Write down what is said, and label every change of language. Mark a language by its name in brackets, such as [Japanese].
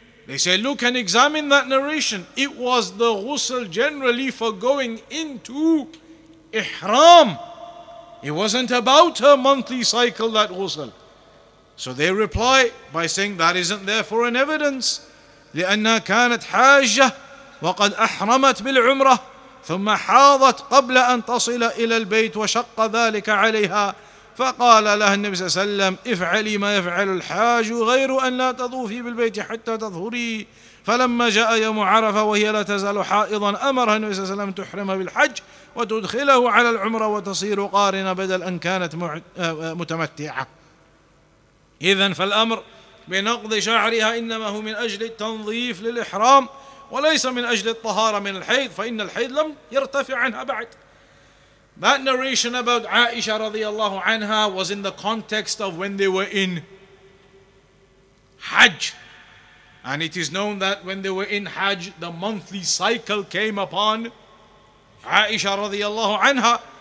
[English] They say, look and examine that narration. It was the ghusl generally for going into ihram. It wasn't about her monthly cycle, that ghusl. So they reply by saying that isn't therefore an evidence. [Arabic] لِأَنَّا كَانَتْ حَاجَّةٌ وَقَدْ أَحْرَمَتْ بِالْعُمْرَةِ ثُمَّ حَاضَتْ قَبْلَ أَنْ تَصِلَ إِلَى الْبَيْتِ وَشَقَّ ذَلِكَ عَلَيْهَا فقال لها النبي صلى الله عليه وسلم افعلي ما يفعل الحاج غير أن لا تطوفي بالبيت حتى تظهري فلما جاء يوم عرفة وهي لا تزال حائضا أمرها النبي صلى الله عليه وسلم تحرم بالحج وتدخله على العمرة وتصير قارنة بدل أن كانت متمتعة. إذن فالأمر بنقض شعرها إنما هو من أجل التنظيف للإحرام وليس من أجل الطهارة من الحيض فإن الحيض لم يرتفع عنها بعد. [English] That narration about Aisha radiallahu anha was in the context of when they were in Hajj. And it is known that when they were in Hajj, the monthly cycle came upon Aisha radiallahu anha.